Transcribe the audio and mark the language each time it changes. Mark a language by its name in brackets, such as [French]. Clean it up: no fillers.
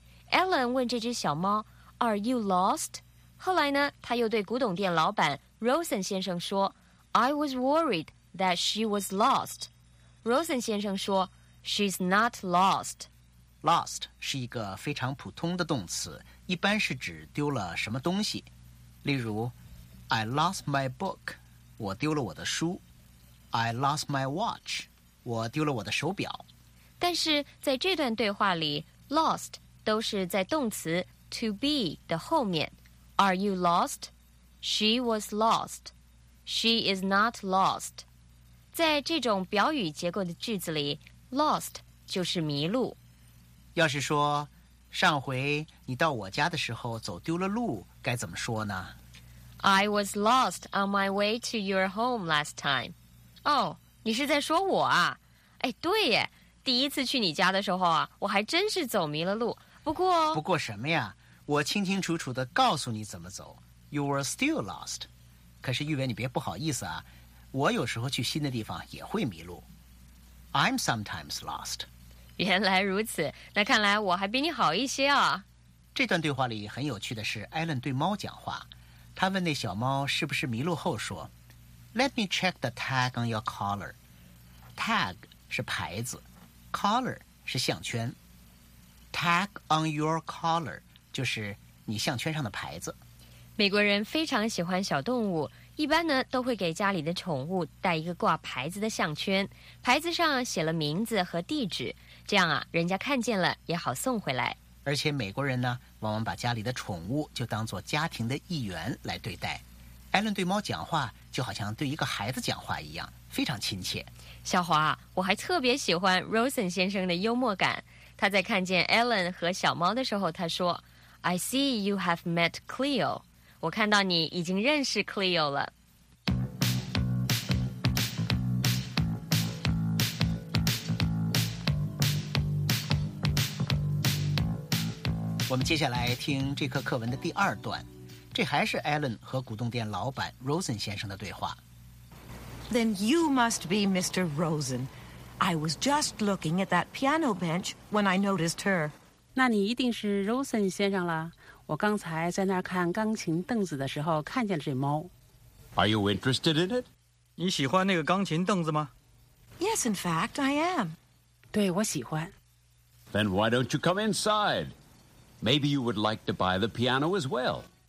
[Chinese] Ellen 问这只小猫 , [English] Are you lost? [Chinese] 后来呢他又对古董店老板 Rosen 先生说 , [English] I was worried that she was lost. Rosen [Chinese] 先生说 [English] ,She's not lost. [Chinese] Lost 是一个非常普通的动词，一般是指丢了什么东西。例如 [English] ,I lost my book. [Chinese] 我丢了我的书。 [English] I lost my watch. [Chinese] 我丢了我的手表。但是在这段对话里 lost 都是在动词 to be 的后面。 [English] Are you lost? She was lost. She is not lost. [Chinese] 在这种表语结构的句子里 lost 就是迷路。要是说上回你到我家的时候走丢了路该怎么说呢？ [English] I was lost on my way to your home last time. [Chinese] 哦、oh, 你是在说我啊。哎对耶，第一次去你家的时候啊我还真是走迷了路。不过什么呀，我清清楚楚地告诉你怎么走。 [English] You were still lost. [Chinese] 可是玉伟你别不好意思啊，我有时候去新的地方也会迷路。 [English] I'm sometimes lost. [Chinese] 原来如此，那看来我还比你好一些啊。这段对话里很有趣的是 Ellen 对猫讲话。他问那小猫是不是迷路后说 [English] Let me check the tag on your collar. [Chinese] Tag 是牌子， collar 是项圈。 [English] Tag on your collar [Chinese] 就是你项圈上的牌子。美国人非常喜欢小动物，一般呢都会给家里的宠物带一个挂牌子的项圈，牌子上写了名字和地址，这样啊人家看见了也好送回来。而且美国人呢往往把家里的宠物就当作家庭的一员来对待。艾伦对猫讲话就好像对一个孩子讲话一样，非常亲切。小华，我还特别喜欢 Rosen 先生的幽默感。他在看见艾伦和小猫的时候他说 [English] I see you have met Cleo. [Chinese] 我看到你已经认识 Cleo 了。我们接下来听这课课文的第二段。这还是 Alan 和古董店老板 Rosen 先生的对话。 [English] Then you must be Mr. Rosen. I was just looking at that piano bench when I noticed her. [Chinese] 那你一定是 Rosen 先生了。我刚才在那儿看钢琴凳子的时候看见了这猫。 [English] Are you interested in it? [Chinese] 你喜欢那个钢琴凳子吗？ [English] Yes, in fact, I am. [Chinese] 对，我喜欢。 [English] Then why don't you come inside? Maybe you would like to buy the piano as well.